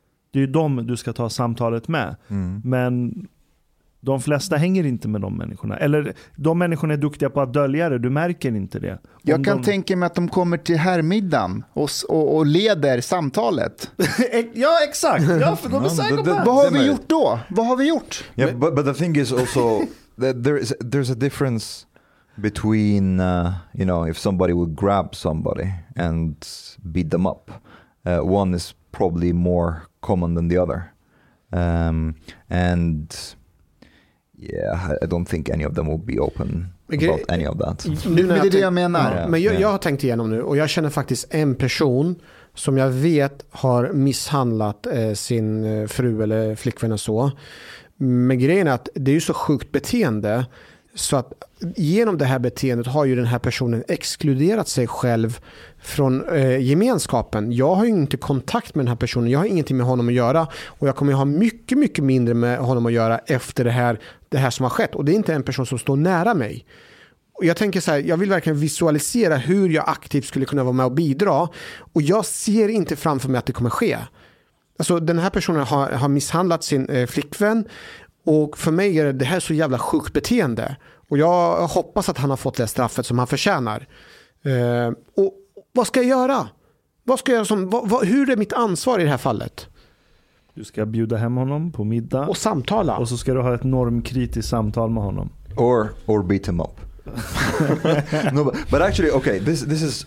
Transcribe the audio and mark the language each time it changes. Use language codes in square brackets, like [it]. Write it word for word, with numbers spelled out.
[sv] Det är ju dem du ska ta samtalet med. Mm. Men de flesta hänger inte med de människorna. Eller de människorna är duktiga på att dölja det. Du märker inte det. Om jag kan de... tänka mig att de kommer till härmiddagen och, och, och leder samtalet. Ja, exakt. Ja, för de är psykopater. Vad har vi gjort då? Vad har vi gjort? [en] Yeah, but, but the thing is also... There is, there's a difference between, uh, you know, if somebody would grab somebody and beat them up. Uh, one is probably more common than the other. Um, and yeah, I don't think any of them will be open okay. about any of that. [sv] Nu när jag tänk- det jag menar. Ja, men jag, jag har tänkt igenom nu och jag känner faktiskt en person som jag vet har misshandlat eh, sin fru eller flickvän och så. Men grejen är att det är ju så sjukt beteende så att genom det här beteendet har ju den här personen exkluderat sig själv från eh, gemenskapen. Jag har ju inte kontakt med den här personen. Jag har ingenting med honom att göra och jag kommer ju ha mycket, mycket mindre med honom att göra efter det här, det här som har skett. Och det är inte en person som står nära mig. Och jag tänker så här, jag vill verkligen visualisera hur jag aktivt skulle kunna vara med och bidra och jag ser inte framför mig att det kommer ske. Alltså den här personen har, har misshandlat sin eh, flickvän och för mig är det här så jävla sjukt beteende. Och jag hoppas att han har fått det straffet som han förtjänar. Eh, och vad ska jag göra? Vad ska jag göra som, vad, vad, hur är mitt ansvar i det här fallet? Du ska bjuda hem honom på middag. Och samtala. Och så ska du ha ett normkritiskt samtal med honom. [en] Or, or beat him up. No, but, but actually, okay, this this is.